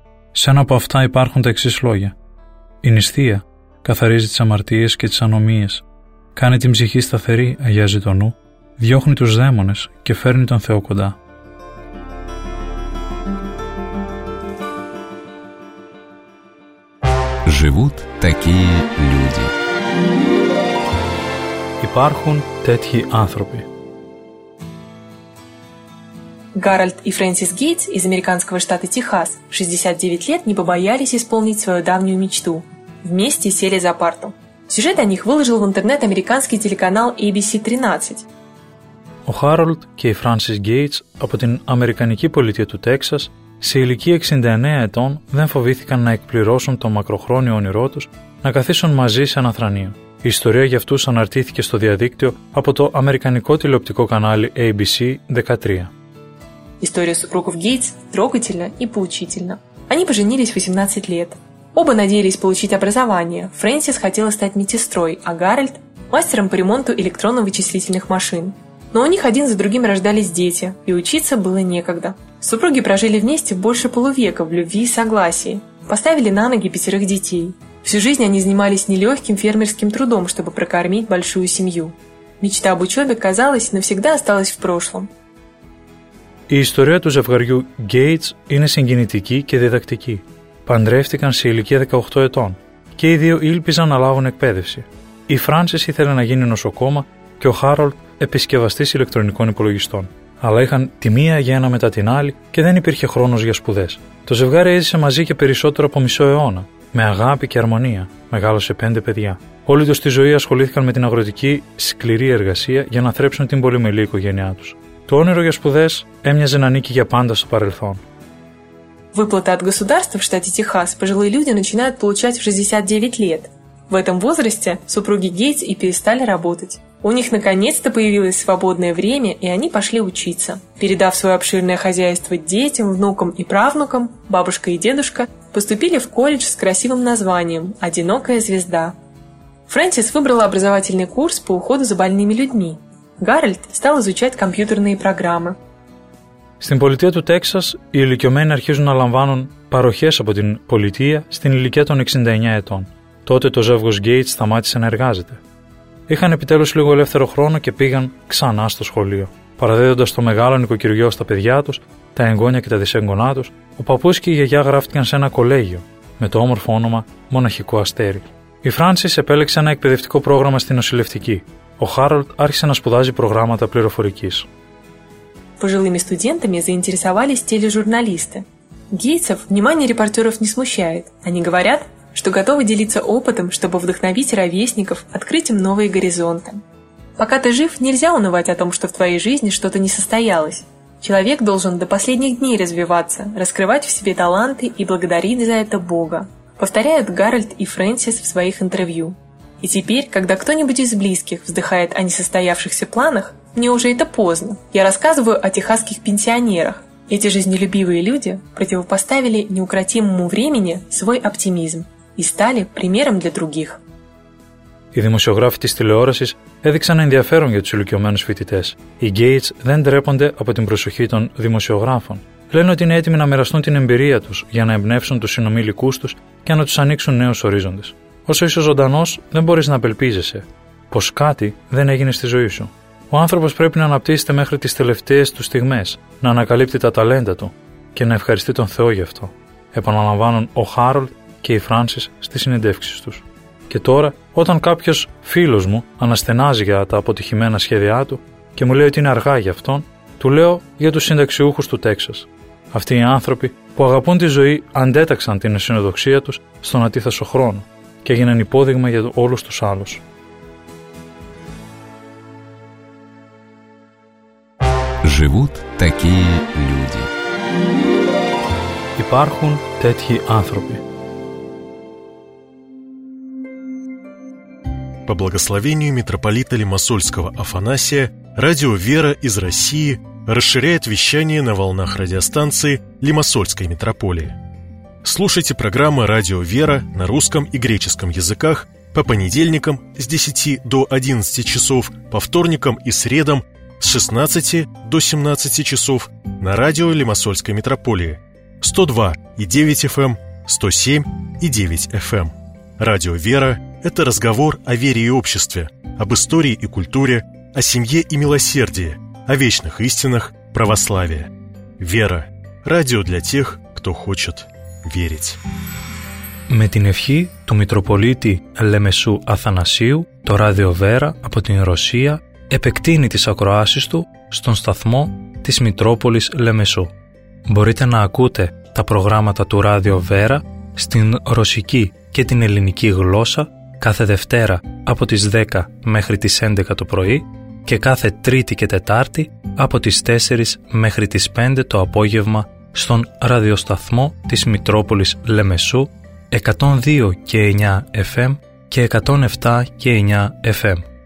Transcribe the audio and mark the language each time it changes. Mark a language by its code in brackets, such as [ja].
[el] Σε ένα από αυτά υπάρχουν τα εξής λόγια: «Η νηστεία καθαρίζει τις αμαρτίες και τις ανομίες, κάνει την ψυχή σταθερή, αγιάζει το νου, διώχνει τους δαίμονες και φέρνει τον Θεό κοντά». [ru] Живут такие люди. [el] Υπάρχουν τέτοιοι άνθρωποι. [ru] Гарольд и Фрэнсис Гейтс из американского штата Техас в 69 лет не побоялись исполнить свою давнюю мечту. Вместе сели за парту. Сюжет о них выложил в интернет американский телеканал ABC-13. [el] Ο Харольд και η Фрэнсис Гейтс από την Αμερικανική πολιτεία του Τέξας σε ηλικία 69 ετών δεν φοβήθηκαν να εκπληρώσουν το μακροχρόνιο όνειρό τους να καθίσουν μαζί σε ένα θρανείο. Η ιστορία για αυτούς αναρτήθηκε στο διαδίκτυο από το αμερικανικό τηλεοπτικό κανάλι ABC-13. [ru] История супругов Гейтс трогательна и поучительна. Они поженились в 18 лет. Оба надеялись получить образование. Фрэнсис хотела стать медсестрой, а Гарольд – мастером по ремонту электронно-вычислительных машин. Но у них один за другим рождались дети, и учиться было некогда. Супруги прожили вместе больше полувека в любви и согласии. Поставили на ноги 5 детей. Всю жизнь они занимались нелегким фермерским трудом, чтобы прокормить большую семью. Мечта об учебе, казалось, навсегда осталась в прошлом. [el] Η ιστορία του ζευγαριού Gates είναι συγκινητική και διδακτική. Παντρεύτηκαν σε ηλικία 18 ετών και οι δύο ήλπιζαν να λάβουν εκπαίδευση. Η Frances ήθελε να γίνει νοσοκόμα και ο Harold επισκευαστής ηλεκτρονικών υπολογιστών. Αλλά είχαν τη μία για ένα μετά την άλλη και δεν υπήρχε χρόνος για σπουδές. Το ζευγάρι έζησε μαζί και περισσότερο από μισό αιώνα, με αγάπη και αρμονία. Μεγάλωσε 5 παιδιά. Όλη τους τη ζωή ασχολήθηκαν με την αγροτική, σκληρή εργασία για να θρέψουν την πολυμελή οικογένειά τους. Το όνειρο για σπουδές έμοιαζε να νίκει για πάντα στο παρελθόν. [ru] Выплаты от государства в штате Техас пожилые люди начинают получать в 69 лет. В этом возрасте супруги Гейтс и перестали работать. У них наконец-то появилось свободное время, и они пошли учиться. Передав свое обширное хозяйство детям, внукам и правнукам, бабушка и дедушка поступили в колледж с красивым названием «Одинокая звезда». Фрэнсис выбрала образовательный курс по уходу за больными людьми. Гарольд стал изучать компьютерные программы. [el] Στην πολιτεία του Τέξας, οι ηλικιωμένοι αρχίζουν να λαμβάνουν παροχές από την πολιτεία στην ηλικία των 69 ετών. Τότε το ζεύγος Γκέιτς σταμάτησε να εργάζεται. Είχαν επιτέλους λίγο ελεύθερο χρόνο και πήγαν ξανά στο σχολείο. Παραδίδοντας το μεγάλο νοικοκυριό στα παιδιά τους, τα εγγόνια και τα δυσέγγονά τους, ο παππούς και η γιαγιά γράφτηκαν σε ένα κολέγιο με το όμορφο όνομα Μοναχικό Αστέρι. Η Φράνσις επέλεξε ένα εκπαιδευτικό πρόγραμμα στην νοσηλευτική. Ο Χάρολτ άρχισε να σπουδάζει προγράμματα πληροφορικής. [ru] Пожилыми студентами заинтересовались тележурналисты. Гейтсов внимание репортеров не смущает. Они говорят, что готовы делиться опытом, чтобы вдохновить ровесников, открыть им новые горизонты. Пока ты жив, нельзя унывать о том, что в твоей жизни что-то не состоялось. Человек должен до последних дней развиваться, раскрывать в себе таланты и благодарить за это Бога, повторяют Гарольд и Фрэнсис в своих интервью. И теперь, когда кто-нибудь из близких вздыхает о несостоявшихся планах, мне уже это поздно. Я рассказываю о техасских пенсионерах. Эти жизнелюбивые люди противопоставили неукротимому времени свой оптимизм и стали примером для других. [el] Οι δημοσιογράφοι της τηλεόρασης έδειξαν ενδιαφέρον για τους ηλικιωμένους φοιτητές. Οι Γκέιτς δεν ντρέπονται από την προσοχή των δημοσιογράφων. Λένε ότι είναι έτοιμοι να μοιραστούν την εμπειρία τους για να εμπνεύσουν τους συνομήλικούς τους και να τους ανοίξουν νέους ορίζοντες. Όσο είσαι ζωντανός, δεν μπορείς να απελπίζεσαι πως κάτι δεν έγινε στη ζωή σου. Ο άνθρωπος πρέπει να αναπτύσσεται μέχρι τις τελευταίες του στιγμές, να ανακαλύπτει τα ταλέντα του και να ευχαριστεί τον Θεό γι' αυτό, επαναλαμβάνουν ο Χάρολτ και η Φράνσις στις συνεντεύξεις τους. Και τώρα, όταν κάποιος φίλος μου αναστενάζει για τα αποτυχημένα σχέδιά του και μου λέει ότι είναι αργά για αυτόν, του λέω για τους συνταξιούχους του Τέξας. Αυτοί οι άνθρωποι που αγαπούν τη ζωή αντέταξαν την αισιοδοξία τους στον ατίθασο χρόνο και έγιναν υπόδειγμα για όλους τους άλλους. [ru] Живут такие люди. [el] Υπάρχουν τέτοιοι άνθρωποι. [ru] По благословению митрополита Лимассольского Афанасия, радио «Вера» из России расширяет вещание на волнах радиостанции Лимассольской митрополии. Слушайте программы «Радио «Вера» на русском и греческом языках по понедельникам с 10 до 11 часов, по вторникам и средам с 16 до 17 часов на радио Лимассольской митрополии 102.9 FM, 107.9 FM. Радио «Вера» – это разговор о вере и обществе, об истории и культуре, о семье и милосердии, о вечных истинах православия. «Вера» – радио для тех, кто хочет верить. [el] Με την ευχή του Μητροπολίτη Λεμεσού Αθανασίου, το Ράδιο Βέρα από την Ρωσία επεκτείνει τις ακροάσεις του στον σταθμό της Μητρόπολης Λεμεσού. Μπορείτε να ακούτε τα προγράμματα του Ράδιο Βέρα στην ρωσική και την ελληνική γλώσσα κάθε Δευτέρα από τις 10 μέχρι τις 11 το πρωί και κάθε Τρίτη και Τετάρτη από τις 4 μέχρι τις 5 το απόγευμα στον ραδιοσταθμό της Μητρόπολης Λεμεσού 102 και 9 FM και 107 και 9 FM.